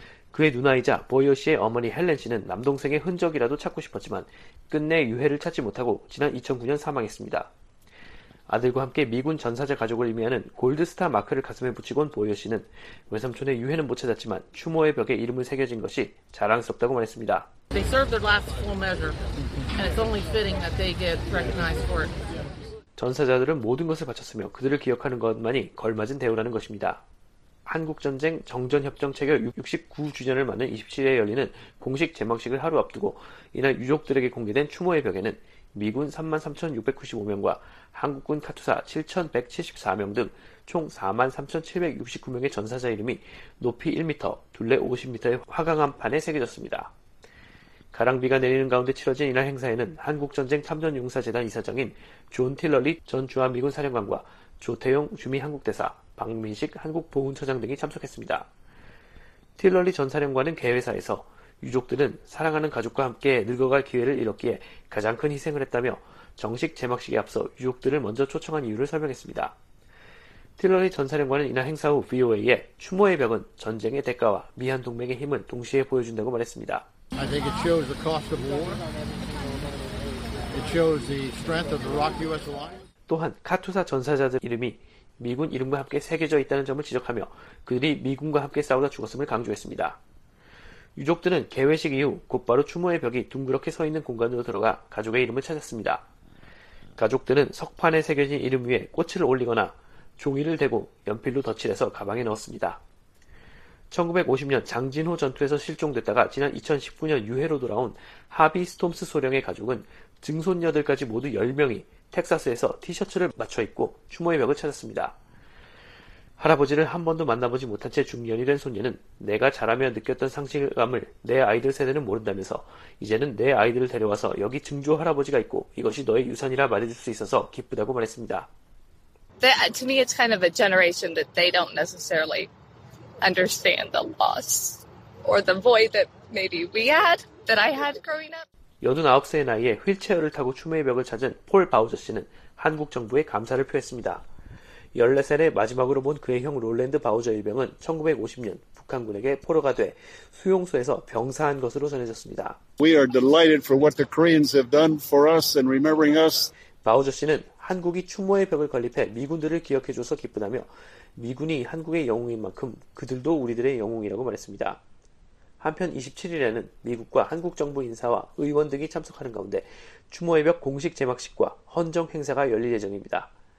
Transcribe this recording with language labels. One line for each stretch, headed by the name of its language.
Korean: 그의 누나이자 보이어 씨의 어머니 헬렌 씨는 남동생의 흔적이라도 찾고 싶었지만 끝내 유해를 찾지 못하고 지난 2009년 사망했습니다. 아들과 함께 미군 전사자 가족을 의미하는 골드스타 마크를 가슴에 붙이고 온 보이어 씨는 외삼촌의 유해는 못 찾았지만 추모의 벽에 이름을 새겨진 것이 자랑스럽다고 말했습니다.
English: They served their last full measure and it's only fitting that they get recognized for it.
Korean: 전사자들은 모든 것을 바쳤으며 그들을 기억하는 것만이 걸맞은 대우라는 것입니다. 한국전쟁 정전협정 체결 69주년을 맞는 27일에 열리는 공식 제막식을 하루 앞두고 이날 유족들에게 공개된 추모의 벽에는 미군 33,695명과 한국군 카투사 7,174명 등 총 43,769명의 전사자 이름이 높이 1m, 둘레 50m의 화강암판에 새겨졌습니다. 가랑비가 내리는 가운데 치러진 이날 행사에는 한국전쟁 참전용사재단 이사장인 존 틸러리 전 주한미군 사령관과 조태용 주미한국대사, 박민식 한국보훈처장 등이 참석했습니다. 틸러리 전 사령관은 개회사에서 유족들은 사랑하는 가족과 함께 늙어갈 기회를 잃었기에 가장 큰 희생을 했다며 정식 제막식에 앞서 유족들을 먼저 초청한 이유를 설명했습니다. 틸러리 전 사령관은 이날 행사 후 VOA에 추모의 벽은 전쟁의 대가와 미한 동맹의 힘을 동시에 보여준다고 말했습니다.
English: I think it shows the cost of war. It shows the strength of the Iraq-US alliance.
Korean: 또한 카투사 전사자들 이름이 미군 이름과 함께 새겨져 있다는 점을 지적하며 그들이 미군과 함께 싸우다 죽었음을 강조했습니다. 유족들은 개회식 이후 곧바로 추모의 벽이 둥그렇게 서 있는 공간으로 들어가 가족의 이름을 찾았습니다. 가족들은 석판에 새겨진 이름 위에 꽃을 올리거나 종이를 대고 연필로 덧칠해서 가방에 넣었습니다. 1950년 장진호 전투에서 실종됐다가 지난 2019년 유해로 돌아온 하비 스톰스 소령의 가족은 증손녀들까지 모두 10명이 텍사스에서 티셔츠를 맞춰 입고 추모의 벽을 찾았습니다. 할아버지를 한 번도 만나보지 못한 채 중년이 된 손녀는 내가 자라며 느꼈던 상실감을 내 아이들 세대는 모른다면서 이제는 내 아이들을 데려와서 여기 증조 할아버지가 있고 이것이 너의 유산이라 말해줄 수 있어서 기쁘다고 말했습니다.
English: To me it's kind of a generation that they don't necessarily understand the loss or the void that maybe we had that I had growing up.
Korean: 89세의 나이에 휠체어를 타고 추모의 벽을 찾은 폴 바우저 씨는 한국 정부에 감사를 표했습니다. 14살에 마지막으로 본 그의 형 롤랜드 바우저 일병은 1950년 북한군에게 포로가 돼 수용소에서 병사한 것으로 전해졌습니다.
English: We are delighted for what the Koreans have done for us and remembering us.
Korean: 바우저 씨는 한국이 추모의 벽을 건립해 미군들을 기억해줘서 기쁘다며 미군이 한국의 영웅인 만큼 그들도 우리들의 영웅이라고 말했습니다. 한편 27일에는 미국과 한국 정부 인사와 의원 등이 참석하는 가운데 추모의 벽 공식 제막식과 헌정 행사가 열릴 예정입니다.